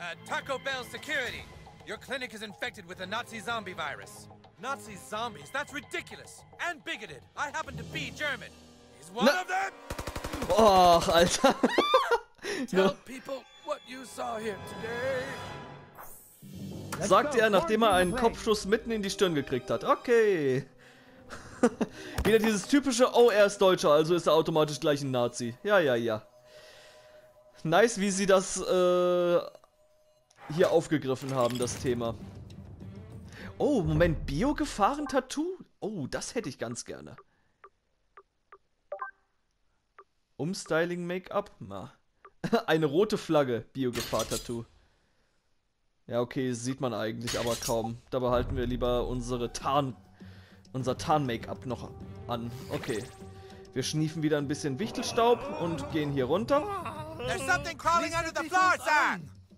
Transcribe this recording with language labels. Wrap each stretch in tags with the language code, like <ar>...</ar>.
<en>Taco Bell security. Your clinic is infected with a Nazi zombie virus. Nazi zombies? That's ridiculous! And bigoted! I happen to be German! Is one of them?</en> <de>Oh, Alter.</de> <en>Tell people what you saw here today!</en> <de>sagt er, nachdem er einen Kopfschuss mitten in die Stirn gekriegt hat. Okay. Wieder dieses typische, oh, er ist Deutscher, also ist er automatisch gleich ein Nazi. Ja, ja, ja. Nice, wie sie das hier aufgegriffen haben, das Thema. Oh, Moment, Bio-Gefahren-Tattoo? Oh, das hätte ich ganz gerne. Umstyling-Make-up? Na. Eine rote Flagge, Bio-Gefahr-Tattoo. Ja, okay, sieht man eigentlich aber kaum. Da behalten wir lieber unser Tarn-Make-up noch an. Okay. Wir schniefen wieder ein bisschen Wichtelstaub und gehen hier runter.</de> <en>There's something crawling under the floor, Sam!</en>